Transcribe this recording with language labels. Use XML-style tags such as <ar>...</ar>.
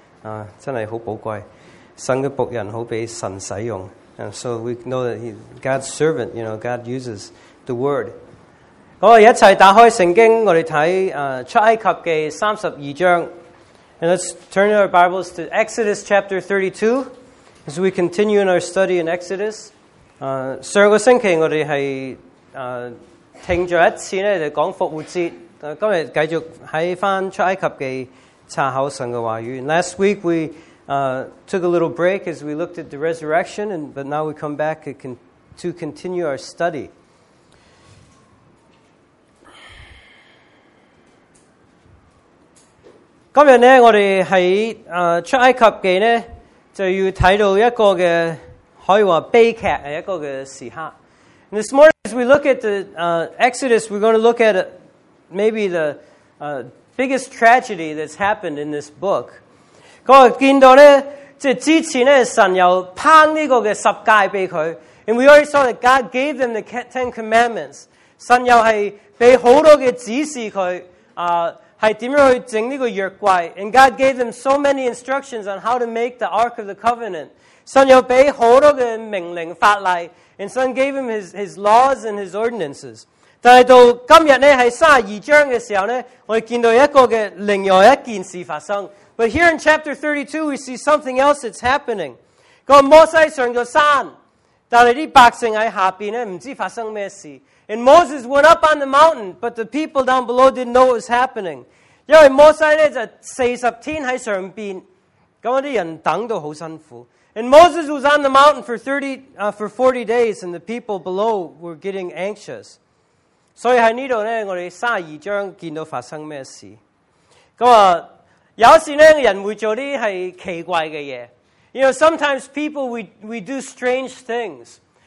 <yue>啊，真係好寶貴，神嘅仆人好俾神使用。</yue> <en>And so we know that God's servant, you know, God uses the word.</en> <yue>我哋一齊打開聖經，我哋睇出埃及記32章。</yue> <en>And let's turn our Bibles to Exodus chapter 32 as we continue in our study in Exodus.</en> <yue>上個星期我哋係停咗一次咧，就讲复活节。今日继续喺翻出埃及记查考神嘅话语。</yue> <en>Last week we took a little break as we looked at the resurrection, but now we come back to continue our study.</en> <yue>Today, 今日咧，我哋喺出埃及记咧，就要睇到一个嘅可以话悲剧嘅一个嘅时刻。</yue> <en>And this morning, as we look at the Exodus, we're going to look at maybe the biggest tragedy that's happened in this book.</en> <yue>我见到咧，即系之前咧，神又颁呢个嘅十诫俾佢 ，</yue> <en>and we already saw that God gave them the Ten Commandments.</en> <yue>神又系俾好多嘅指示佢，系点样去整呢个约柜 ，</yue> <en>and God gave them so many instructions on how to make the Ark of the Covenant.</en> <yue>神又俾好多嘅命令法例。</yue> <en>And son gave him his laws and his ordinances.</en> <yue>但系到今日咧，喺32章嘅时候咧，我哋见到一个嘅另外一件事发生。</yue> <en>But here in chapter 32, we see something else that's happening.</en> <yue>个摩西上咗山，但系啲百姓喺下边咧，唔知发生咩事。</yue> <en>And Moses went up on the mountain, but the people down below didn't know what was happening.</en> <yue>因为摩西咧就40天喺上边，咁啲人等到好辛苦。</yue> <en>And Moses was on the mountain for 40 days, and the people below were getting anxious. So in this, we see what is happening in 32. Sometimes people will do strange things. You know, sometimes people we do strange things.</en>